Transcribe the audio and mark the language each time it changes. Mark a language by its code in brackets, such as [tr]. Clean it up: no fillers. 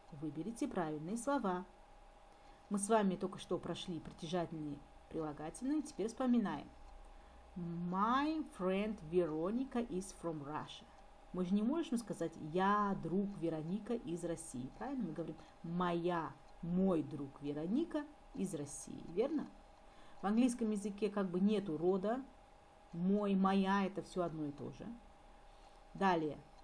[ru] Выберите правильные слова. Мы с вами только что прошли притяжательные и прилагательные. Теперь вспоминаем. [en] My friend Veronica is from Russia. [ru] Мы же не можем сказать «я друг Вероника из России». Правильно? Мы говорим «моя, мой друг Вероника из России». Верно? В английском языке как бы нету рода. Мой, моя, это все одно и то же. Далее.